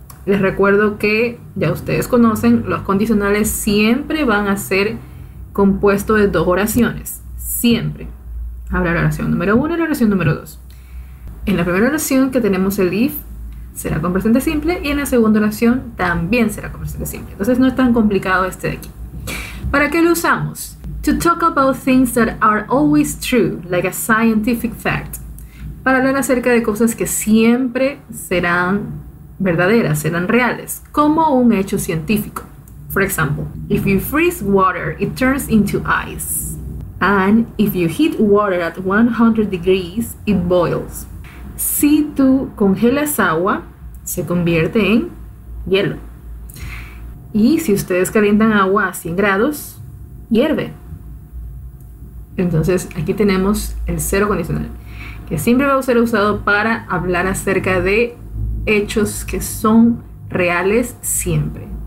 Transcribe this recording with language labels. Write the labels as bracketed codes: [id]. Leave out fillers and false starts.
[es] Les recuerdo que ya ustedes conocen, los condicionales siempre van a ser compuestos de dos oraciones, siempre. Habrá la oración número 1 y la oración número 2. En la primera oración que tenemos el if será con presente simple y en la segunda oración también será con presente simple. Entonces no es tan complicado este de aquí. ¿Para qué lo usamos? [en] To talk about things that are always true, like a scientific fact. [es] Para hablar acerca de cosas que siempre serán verdaderas, serán reales, como un hecho científico. [en] For example, if you freeze water, it turns into ice. And if you heat water at 100 degrees, it boils. [es] Si tú congelas agua, se convierte en hielo. Y si ustedes calientan agua a 100 grados, hierve. Entonces, aquí tenemos el cero condicional, que siempre va a ser usado para hablar acerca de hechos que son reales siempre.